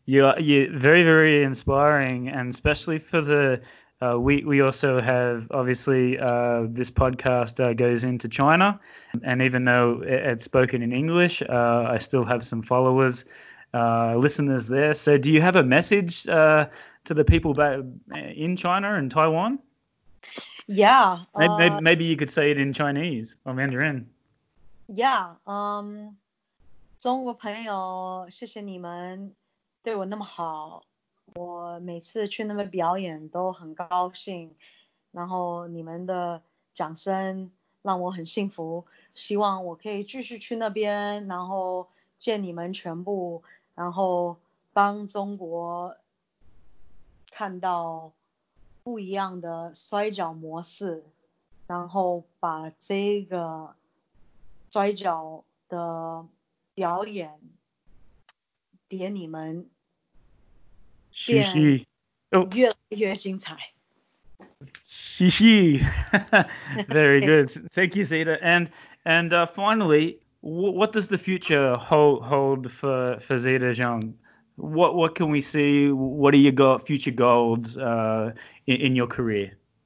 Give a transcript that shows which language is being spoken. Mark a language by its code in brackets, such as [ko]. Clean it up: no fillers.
[en] You're very, very inspiring, and especially for the we also have, obviously, this podcast goes into China, and even though it's spoken in English, I still have some followers, listeners there. So do you have a message to the people in China and Taiwan? Yeah. Maybe you could say it in Chinese or Mandarin. Yeah. [zh] 中国朋友，谢谢你们对我那么好，我每次去那边表演都很高兴，然后你们的掌声让我很幸福，希望我可以继续去那边，然后见你们全部。然后帮中国看到不一样的摔跤模式，然后把这个摔跤的表演给你们嘻嘻越来越精彩 [en] 嘻嘻、哦、Very good. Thank you, Zeta. And finally, what does the future hold for Zeta Zhang? What can we see? What are your future goals in your career?